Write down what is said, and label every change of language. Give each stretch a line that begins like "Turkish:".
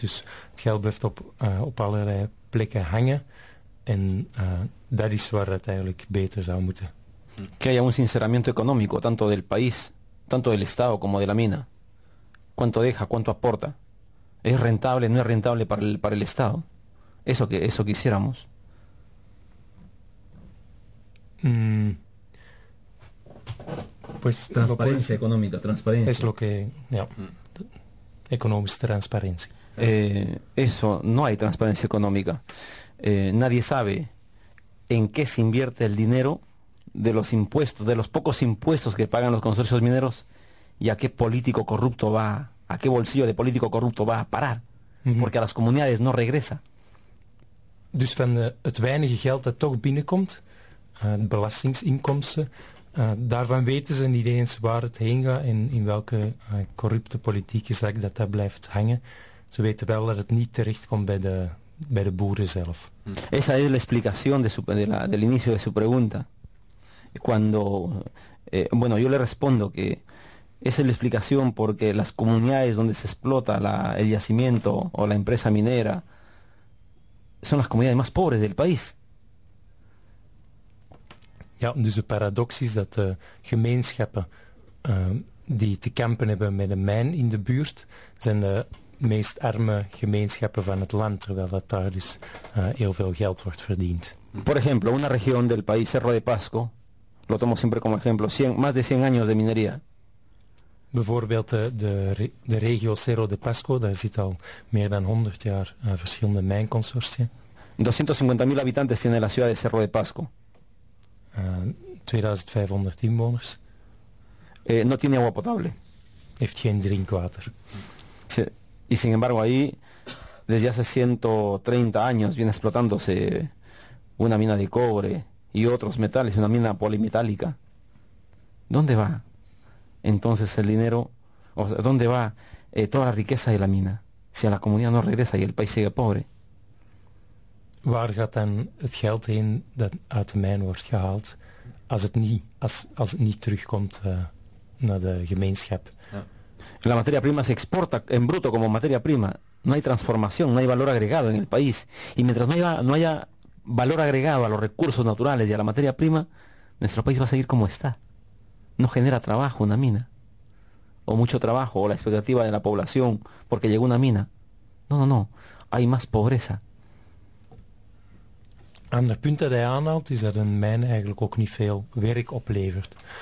Dutch: Dus het geld blijft op allerlei plekken hangen. En dat is waar het eigenlijk beter zou moeten.
Spanish: Que haya un sinceramiento económico, tanto del país, tanto del Estado como de la mina. ¿Cuánto deja? ¿Cuánto aporta? ¿Es rentable? ¿No es rentable para el Estado? Eso quisiéramos. Pues transparencia económica, transparencia. Es lo que.
English: Yeah. Economist
Spanish: transparencia. Eso, no hay transparencia económica. Nadie sabe en qué se invierte el dinero de los impuestos, de los pocos impuestos que pagan los consorcios mineros, y a qué político corrupto va, a qué bolsillo de político corrupto va a parar, porque a las comunidades no regresa.
Dutch: Dus van het weinige geld dat toch binnenkomt, belastingsinkomsten, daarvan weten ze niet eens waar het heen gaat en in welke corrupte politieke zak dat daar blijft hangen. Ze weten wel dat het niet terechtkomt bij de boeren zelf.
Spanish: Esa es la explicación de su, de la, del inicio de su pregunta. Cuando, bueno, yo le respondo que esa es la explicación porque las comunidades donde se explota la, el yacimiento o la empresa minera son las comunidades más pobres del país.
Dutch: Ja, dus de paradox is dat de gemeenschappen die te kampen hebben met een mijn in de buurt, zijn de meest arme gemeenschappen van het land, terwijl dat daar dus heel veel geld wordt verdiend.
Spanish: Por ejemplo, una región del país, Cerro de Pasco, lo tomo siempre como ejemplo, 100, más de 100 años de minería.
Dutch: Bijvoorbeeld de regio Cerro de Pasco, daar zit al meer dan 100 jaar verschillende mijnconsortia.
Spanish: 250.000 habitantes tiene la ciudad de Cerro de Pasco.
Dutch: 2500 inwoners.
Spanish: No tiene agua potable.
Dutch: Heeft geen drinkwater.
Spanish: Sí. Y sin embargo ahí, desde hace 130 años, viene explotándose una mina de cobre y otros metales, una mina polimetálica. ¿Dónde va entonces el dinero? O sea, ¿dónde va toda la riqueza de la mina? Si a la comunidad no regresa y el país sigue pobre.
Dutch: Waar gaat dan het geld heen dat uit de mijn wordt gehaald als het niet terugkomt naar de gemeenschap? Ja.
Spanish: La materia prima se exporta en bruto como materia prima. No hay transformación, no hay valor agregado en el país. Y mientras no haya valor agregado a los recursos naturales y a la materia prima, nuestro país va a seguir como está. No genera trabajo una mina. O mucho trabajo, o la expectativa de la población porque llegó una mina. No. Hay más pobreza.
Dutch: Een ander punt dat hij aanhaalt is dat een mijn eigenlijk ook niet veel werk oplevert.